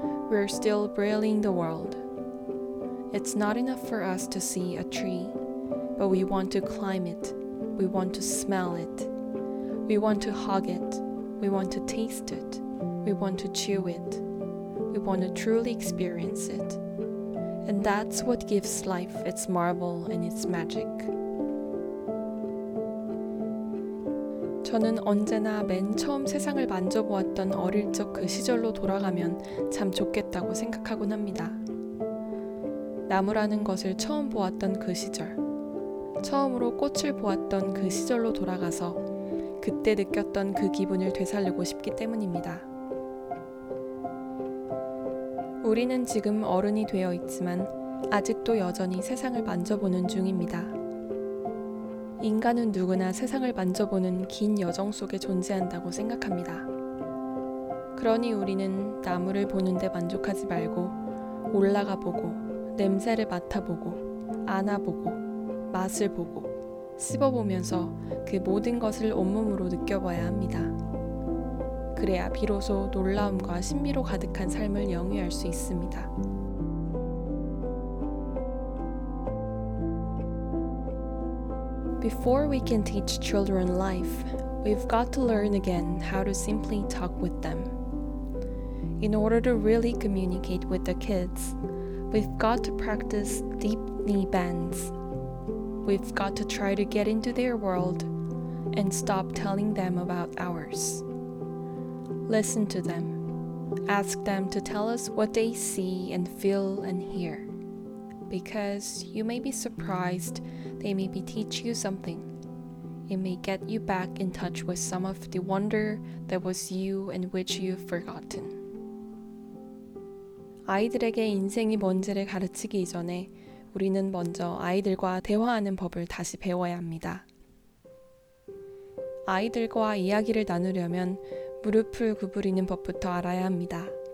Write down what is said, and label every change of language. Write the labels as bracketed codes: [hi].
[en] We're still braiding the world. It's not enough for us to see a tree, but we want to climb it, we want to smell it, we want to hug it, we want to taste it, we want to chew it, we want to truly experience it. And that's what gives life its marvel and its magic. [ko] 저는 언제나 맨 처음 세상을 만져보았던 어릴 적 그 시절로 돌아가면 참 좋겠다고 생각하곤 합니다. 나무라는 것을 처음 보았던 그 시절, 처음으로 꽃을 보았던 그 시절로 돌아가서 그때 느꼈던 그 기분을 되살리고 싶기 때문입니다. 우리는 지금 어른이 되어 있지만 아직도 여전히 세상을 만져보는 중입니다. 인간은 누구나 세상을 만져보는 긴 여정 속에 존재한다고 생각합니다. 그러니 우리는 나무를 보는데 만족하지 말고 올라가 보고, 냄새를 맡아보고, 안아보고, 맛을 보고, 씹어보면서 그 모든 것을 온몸으로 느껴봐야 합니다. 그래야 비로소 놀라움과 신비로 가득한 삶을 영위할 수 있습니다. [en] Before we can teach children life, we've got to learn again how to simply talk with them. In order to really communicate with the kids, we've got to practice deep knee bends. We've got to try to get into their world and stop telling them about ours. Listen to them. Ask them to tell us what they see and feel and hear. Because you may be surprised, they maybe teach you something. It may get you back in touch with some of the wonder that was you and which you've forgotten. [ko] 아이들에게 인생이 뭔지를 가르치기 이전에 우리는 먼저 아이들과 대화하는 법을 다시 배워야 합니다. 아이들과 이야기를 나누려면 무릎을 구부리는 법부터 알아야 합니다.